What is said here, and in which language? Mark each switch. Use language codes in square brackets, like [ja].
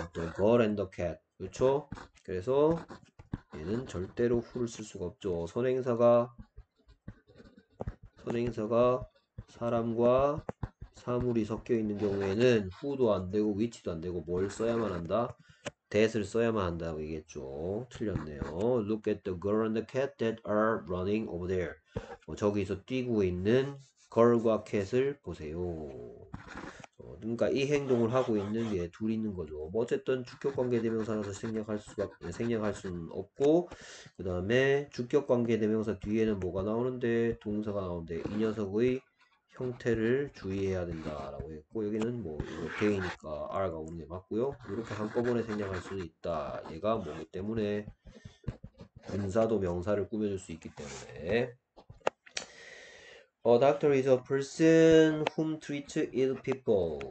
[en] The girl and the cat. [ko] 그렇죠? 그래서 얘는 절대로 who를 쓸 수가 없죠. 선행사가 사람과 사물이 섞여 있는 경우에는 who도 안 되고 which도 안 되고 뭘 써야만 한다? that을 써야만 한다고 얘기했죠. 틀렸네요. [en] Look at the girl and the cat that are running over there. [ko] 저기서 뛰고 있는 girl과 cat을 보세요. 그러니까 이 행동을 하고 있는 게둘 있는 거죠. 뭐 어쨌든 주격 관계 대명사라서 생략할 수는 없고, 그 다음에 주격 관계 대명사 뒤에는 뭐가 나오는데, 동사가 나오는데, 이 녀석의 형태를 주의해야 된다라고 했고, 여기는 뭐 이렇게 되니까 R가 오는 게 맞고요. 이렇게 한꺼번에 생략할 수도 있다. 얘가 뭐기 때문에 분사도 명사를 꾸며줄 수 있기 때문에. [en] A doctor is a person whom treats ill people.